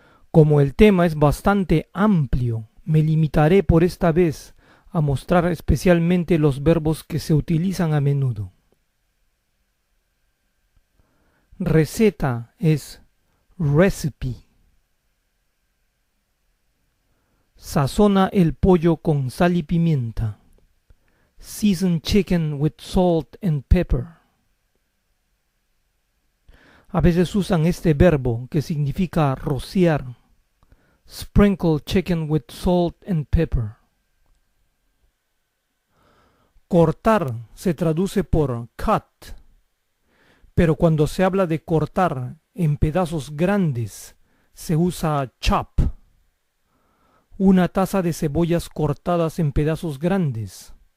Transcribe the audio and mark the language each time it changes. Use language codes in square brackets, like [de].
[es] Como el tema es bastante amplio, me limitaré por esta vez a mostrar especialmente los verbos que se utilizan a menudo. Receta es recipe. Sazona el pollo con sal y pimienta. [en] Season chicken with salt and pepper. [es] A veces usan este verbo que significa rociar. [en] Sprinkle chicken with salt and pepper. [es] Cortar se traduce por cut, pero cuando se habla de cortar en pedazos grandes, se usa chop. Una taza de cebollas cortadas en pedazos grandes.